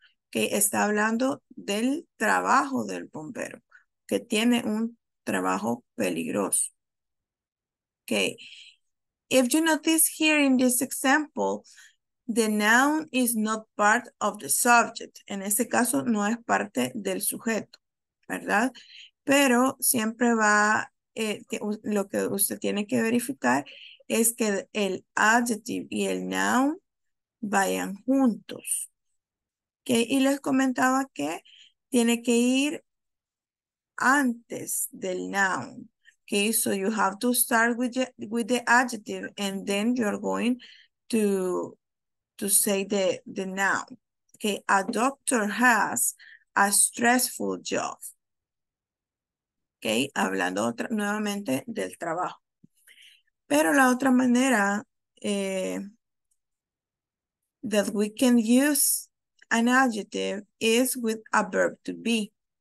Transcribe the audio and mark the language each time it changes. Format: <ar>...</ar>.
<es>Okay, está hablando del trabajo del bombero, que tiene un trabajo peligroso.</es> <en>Okay, if you notice here in this example, the noun is not part of the subject.</en> <es>En este caso, no es parte del sujeto, ¿verdad? Pero siempre va, lo que usted tiene que verificar es que el adjective y el noun vayan juntos. ¿Okay? Y les comentaba que tiene que ir antes del noun. ¿Okay?</es> <en>So you have to start with the adjective and then you're going to say the noun, okay? A doctor has a stressful job, okay?</en> <es>Hablando otra, nuevamente del trabajo. Pero la otra manera</es> <en>that we can use an adjective is with a verb to be.</en>